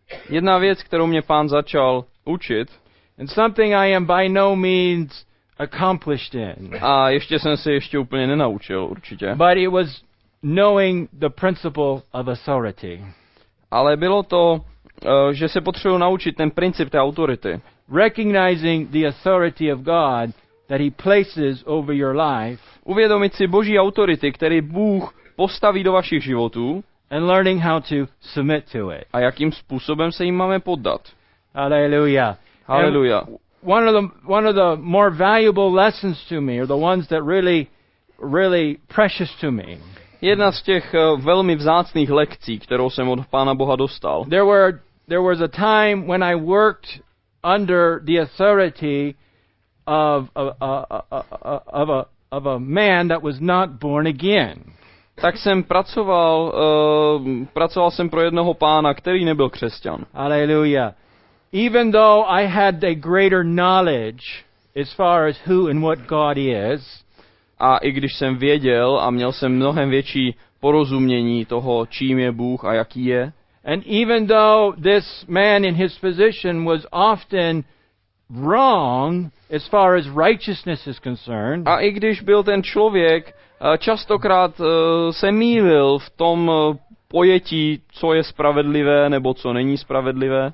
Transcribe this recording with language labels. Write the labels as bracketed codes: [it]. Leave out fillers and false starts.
[cs] Jedna věc, kterou mě Pán začal učit. [en] And something I am by no means accomplished in. [cs] A ještě jsem se ještě úplně nenaučil, určitě. [en] But it was knowing the principle of authority. [cs] Ale bylo to, že se potřebuji naučit ten princip té autority. [en] Recognizing the authority of God that he places over your life. [cs] Uvědomit si Boží autority, který Bůh postaví do vašich životů. [en] And learning how to submit to it. [cs] A jakým způsobem se jim máme poddat. [en] Hallelujah. Hallelujah. One of the more valuable lessons to me, or the ones that really, really precious to me. [cs] Jedna z těch velmi vzácných lekcí, kterou jsem od Pána Boha dostal. [en] There was a time when I worked under the authority of a man that was not born again. [cs] Tak jsem pracoval jsem pro jednoho pána, který nebyl křesťan. [en] Hallelujah. Even though I had a greater knowledge as far as who and what God is, [cs] a i když jsem věděl a měl jsem mnohem větší porozumění toho, čím je Bůh a jaký je, [en] and even though this man in his position was often wrong as far as righteousness is concerned, [cs] a i když byl ten člověk častokrát se mýlil v tom pojetí, co je spravedlivé nebo co není spravedlivé.